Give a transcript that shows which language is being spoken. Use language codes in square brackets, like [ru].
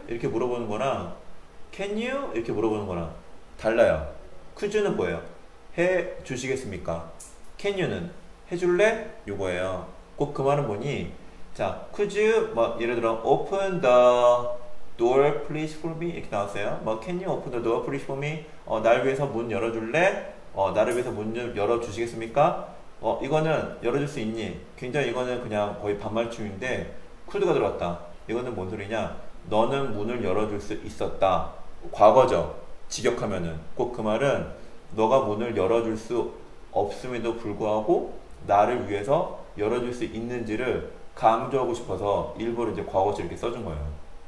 [ko] 이렇게 물어보는 거랑 [en] Can you? [ko] 이렇게 물어보는 거랑 달라요. Could you는 뭐예요? 해 주시겠습니까? Can you는 해줄래? 요거예요. 꼭그 말은 뭐니? 자, [en] could you? [ko] 뭐 예를 들어 [en] open the door please for me [ko] 이렇게 나왔어요. [en] 뭐 can you open the door please for me? [ko] 나를 위해서 문 열어줄래? 나를 위해서 문좀 열어주시겠습니까? 이거는 열어줄 수 있니? 굉장히 이거는 그냥 거의 반말춤인데 could가 들어갔다. 이거는 뭔 소리냐? 너는 문을 열어줄 수 있었다. 과거죠. 직역하면은 꼭그 말은 너가 문을 열어줄 수 없음에도 불구하고 나를 위해서 열어줄 수 있는지를 강조하고 싶어서 일부러 이제 과거시 이렇게 써준 거예요.